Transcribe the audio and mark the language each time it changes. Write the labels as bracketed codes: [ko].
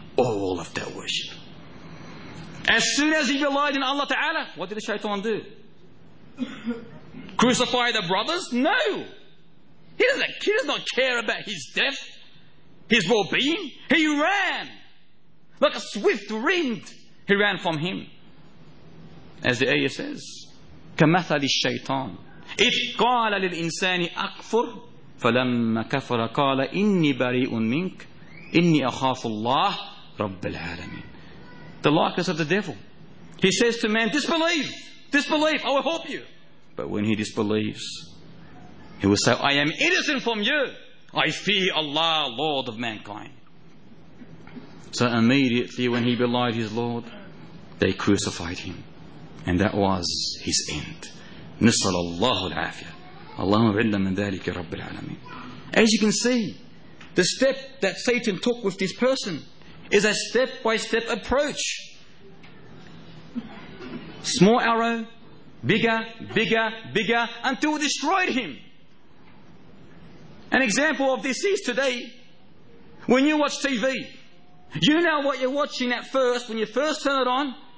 [en] All of that worship. As soon as he relied in Allah Ta'ala, what did the shaitan do? Crucify the brothers? No! He does not care about his death, his well-being. He ran! Like a swift wind, he ran from him. As the ayah says, [ar] كَمَثَلِ الشَّيْطَانِ إِذْ قَالَ لِلْإِنسَانِ أَكْفُرْ فَلَمَّا كَفَرَ قَالَ إِنِّي بَرِيءٌ مِنْكَ إِنِّي أَخَافُ اللَّهِ رَبَّ الْعَالَمِينَ. [en] The likeness of the devil. He says to man, disbelieve! Disbelieve! I will help you! But when he disbelieves, he will say, I am innocent from you! I fear Allah, Lord of mankind. So immediately when he belied his Lord, they crucified him. And that was his end. [ar] نسأل الله العافية. اللهم بعدنا من ذلك يا رب العالمين. [en] As you can see, the step that Satan took with this person is a step-by-step approach. Small arrow, bigger, bigger, bigger, until it destroyed him. An example of this is today, when you watch TV, you know what you're watching at first, when you first turn it on.